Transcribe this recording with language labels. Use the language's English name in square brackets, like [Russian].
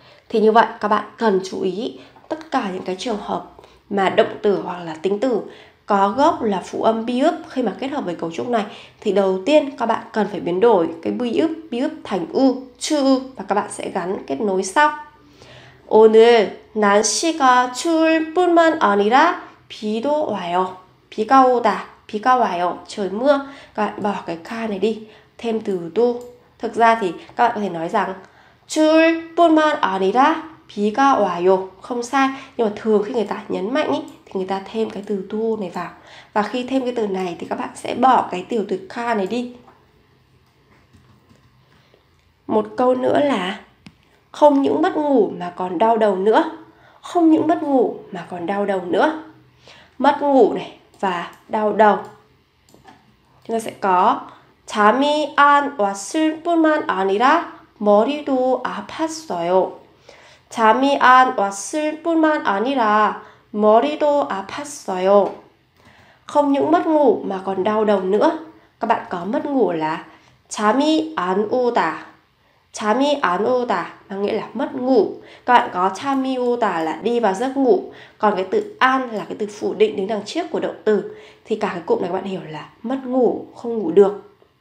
[Vietnamese] Thì như vậy các bạn cần chú ý tất cả những cái trường hợp mà động từ hoặc là tính từ có gốc là phụ âm biup. Khi mà kết hợp với cấu trúc này thì đầu tiên các bạn cần phải biến đổi cái biup biup thành u, chu u, và các bạn sẽ gắn kết nối sau. [Korean] 오늘 날씨가 추울 뿐만 아니라 비도 와요. 비가 오다. 비가 와요. [Vietnamese] Trời mưa. Các bạn bỏ cái ka này đi, thêm từ do. Thực ra thì các bạn có thể nói rằng [Korean] 추울 뿐만 아니라 비가 와요. [Vietnamese] Không sai, nhưng mà thường khi người ta nhấn mạnh ý, thì người ta thêm cái từ do này vào. Và khi thêm cái từ này thì các bạn sẽ bỏ cái tiểu từ ka này đi. Một câu nữa là không những mất ngủ mà còn đau đầu nữa. Không những mất ngủ mà còn đau đầu nữa. Mất ngủ này và đau đầu. Chúng ta sẽ có [Korean] 잠이 안 왔을 뿐만 아니라 머리도 아팠어요. 잠이 안 왔을 뿐만 아니라 머리도 아팠어요. [Vietnamese] Không những mất ngủ mà còn đau đầu nữa. Các bạn có mất ngủ là [Korean] 잠이 안 오다. 잠이 안 오다 [Vietnamese] nó nghĩa là mất ngủ. Các bạn có [Korean] 잠이 오다 [Vietnamese] là đi vào giấc ngủ. Còn cái từ 안 là cái từ phủ định đứng đằng trước của động từ. Thì cả cái cụm này các bạn hiểu là mất ngủ, không ngủ được.